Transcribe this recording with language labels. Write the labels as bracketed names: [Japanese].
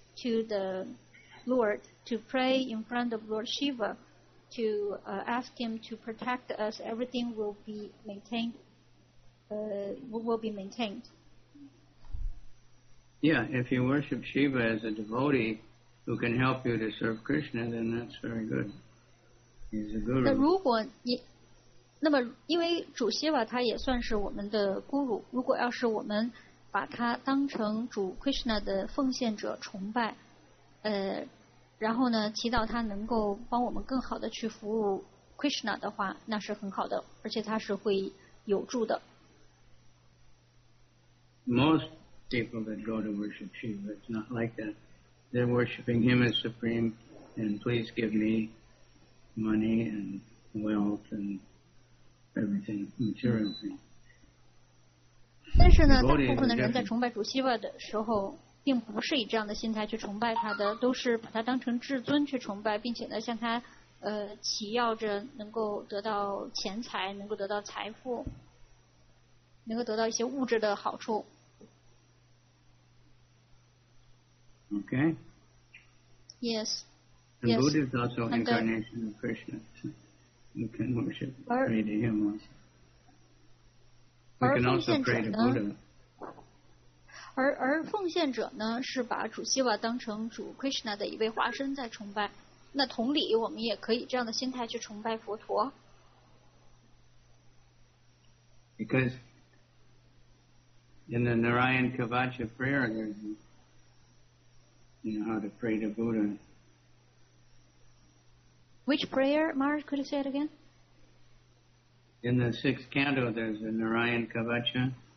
[English] To the Lord, to pray in front of Lord Shiva, to ask him to protect us, everything will be maintained. Yeah, if you worship Shiva as a devotee who can help you to serve Krishna, then that's very good. [Chinese] 那如果你那么因为主希瓦他也算是我们的孤乳，如果要是我们把他当成主 Krishna 的奉献者崇拜，然后呢祈祷他能够帮我们更好的去服务 Krishna 的话，那是很好的，而且他是会有助的。 [English] Most people that go to worship Shiva, it's not like that. They're worshiping him as supreme and please give me money and wealth and everything, material thing. [Chinese] 但是呢大部分的人在崇拜主希瓦的时候并不是以这样的心态去崇拜他的，都是把他当成至尊去崇拜，并且呢向他祈祷着能够得到钱财，能够得到财富，能够得到一些物质的好处。 [English] OK Yes And yes. Buddha is also incarnation of Krishna. You can worship, pray to him also. You can also pray to Buddha. [Chinese] 而奉献者呢是把主希瓦当成主 Krishna 的一位化身在崇拜，那同理我们也可以这样的心态去崇拜佛陀。 [English] Because in the Narayan Kavacha prayer there's you know how to pray to Buddha. Which prayer, Maharaj, could you say it again? In the sixth canto there's a Narayan Kavacha